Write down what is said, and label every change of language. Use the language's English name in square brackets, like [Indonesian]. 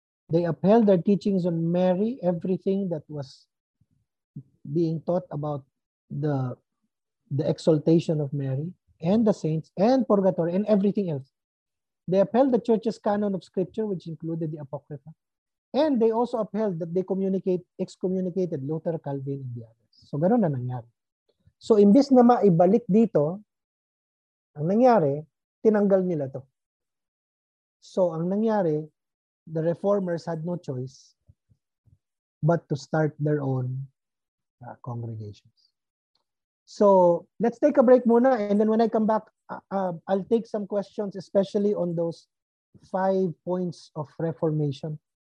[English] They upheld their teachings on Mary, everything that was being taught about the exaltation of Mary and the saints and purgatory and everything else. They upheld the church's canon of scripture, which included the Apocrypha. And they also upheld that they excommunicated Luther, Calvin, and the others. [Filipino] So, ganun na nangyari. So, imbis na maibalik dito, ang nangyari, tinanggal nila to. [English] So, [Filipino] ang nangyari, [English] the reformers had no choice but to start their own congregations. So, let's take a break muna, and then when I come back, I'll take some questions, especially on those 5 points of reformation.